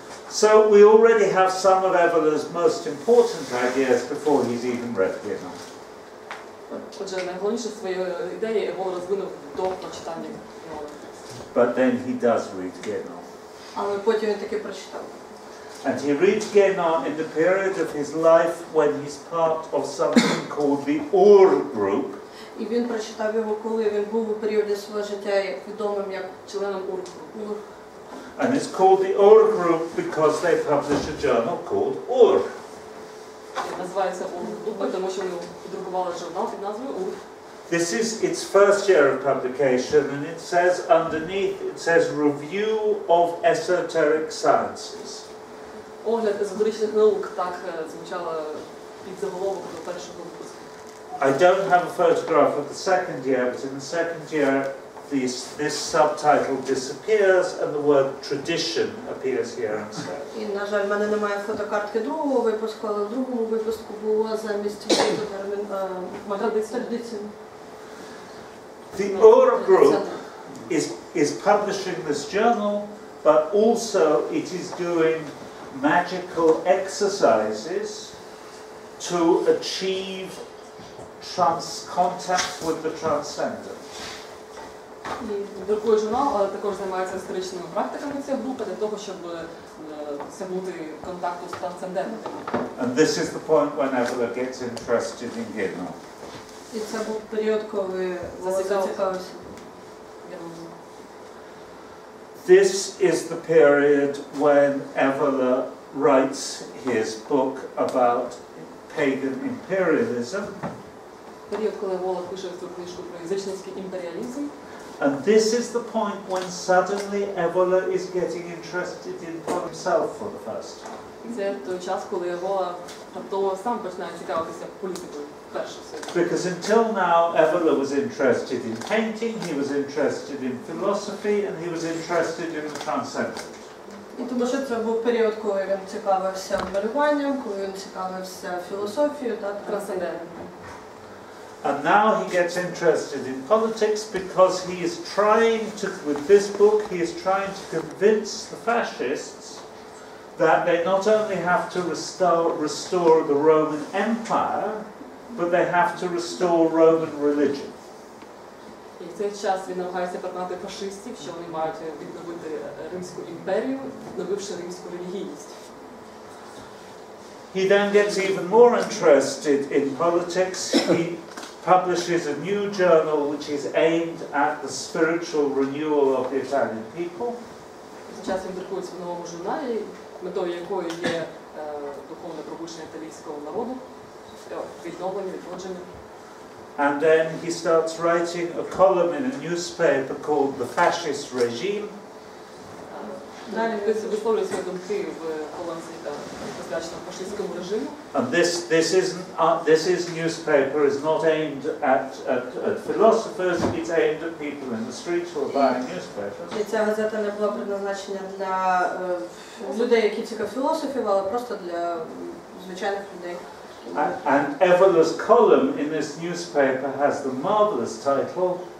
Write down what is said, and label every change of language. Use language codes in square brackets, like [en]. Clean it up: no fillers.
[en] So we already have some of Evola's most important ideas before he's even read Геном. [uk] Отже, найголовніше свої ідеї Евола розвинув до прочитання Геном. [en] But then he does read Геном. [uk] Але потім він таки прочитав. [en] And he reads Геном in the period of his life when he's part of something called the Ur group. [uk] І він прочитав його, коли він був у періоді свого життя відомим як членом Ur групи. [en] And it's called the Ur group because they publish a journal called Ur. [uk] Називається Ур-група, тому що вони подрукували журнал під назвою Ур. [en] This is its first year of publication, and it says underneath, it says Review of Esoteric Sciences. [uk] Огляд езотеричних наук, так звучало під заголовок до першого випуску. [en] I don't have a photograph of the second year, but in the second year, this subtitle disappears and the word tradition appears here instead. [uk] І, на жаль, в мене немає фотокартки другого випуску, але в другому випуску було замість цього термін традиція. [en] The Ur group is publishing this journal, but also it is doing magical exercises to achieve contact with the transcendent. [uk] І друкує журнал, але також займається історичними практиками ця група для того, щоб досягнути контакту з трансцендентами. [en] And this is the point when Evola gets interested in Геном. [uk] І це був період, коли зацікавився. [en] This is the period when Evola writes his book about pagan imperialism. [uk] Період, коли Евола пише цю книжку про язичницький імперіалізм. [en] And this is the point when suddenly Evola is getting interested in himself for the first time. [uk] Це той час, коли Евола раптово сам починає цікавитися політикою першою. [en] Because until now Evola was interested in painting, he was interested in philosophy, and he was interested in the transcendent. [uk] І тому що це був період, коли він цікавився малюванням, коли він цікавився філософією та трансцендентом. [en] And now he gets interested in politics because he is trying to, with this book, he is trying to convince the fascists that they not only have to restore the Roman Empire, but they have to restore Roman religion. [uk] І в цей час він намагається переконати фашистів, що вони мають відновити Римську імперію, відновивши римську релігійність. [en] He then gets even more interested in politics. He publishes a new journal which is aimed at the spiritual renewal of the Italian people. [uk] Зараз він друкується в новому журналі, метою якої є духовне пробудження італійського народу, відновлення, відродження. [en] And then he starts writing a column in a newspaper called The Fascist Regime. [uk] Далі висловлює свої думки в колонці фашистському режиму. [en] And this newspaper is not aimed at philosophers, it's aimed at people in the streets who are buying newspapers. [uk] Ця газета не була предназначена для людей, які цікаві філософів, але просто для звичайних людей. [en] And Evola's column in this newspaper has the marvelous title.